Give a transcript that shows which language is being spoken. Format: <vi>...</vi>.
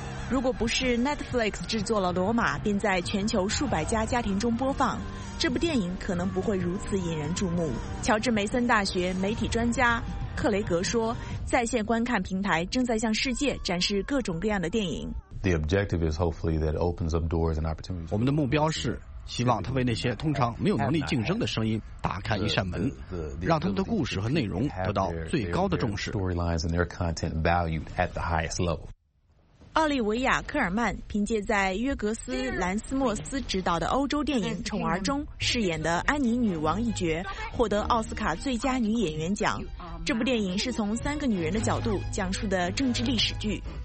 <zh>如果不是 Netflix 制作了《罗马》，并在全球数百家家庭中播放，这部电影可能不会如此引人注目。乔治梅森大学媒体专家克雷格说，在线观看平台正在向世界展示各种各样的电影。</zh> <en>The objective is hopefully that it opens up doors and opportunities.</en> <zh>我们的目标是希望它为那些通常没有能力竞争的声音打开一扇门，让他们的故事和内容得到最高的重视。</zh> <en>Storylines and their content valued at the highest level.</en> <zh>奥利维亚·科尔曼凭借在约格斯·兰斯莫斯执导的欧洲电影《宠儿》中饰演的安妮女王一角，获得奥斯卡最佳女演员奖。这部电影是从三个女人的角度讲述的政治历史剧。</zh>